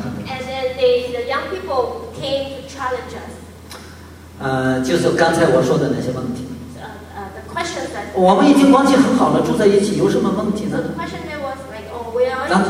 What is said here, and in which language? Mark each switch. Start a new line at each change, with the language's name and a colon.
English: And then the young people came to challenge us.
Chinese: 就是刚才我说的那些问题。
English: The question that
Chinese: 我们已经关系很好了，住在一起有什么问题呢？
English: So the question that was like, oh, we are.